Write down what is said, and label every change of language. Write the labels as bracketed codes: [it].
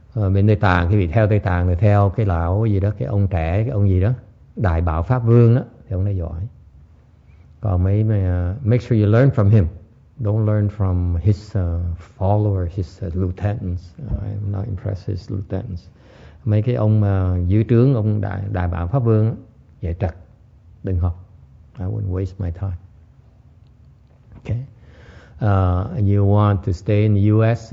[vi] Bên Tây Tạng, quý vị theo Tây Tạng thì theo cái lão gì đó, cái ông trẻ, cái ông gì đó, Đại Bảo Pháp Vương đó, thì ông đã giỏi. Còn mấy [en] make sure you learn from him. Don't learn from his followers, his lieutenants. I'm not impressed his lieutenants. [vi] Mấy cái ông dưới trướng, ông Đại Bảo Pháp Vương đó, dạy trật, đừng học. [en] I wouldn't waste my time. Okay. You want to stay in the U.S.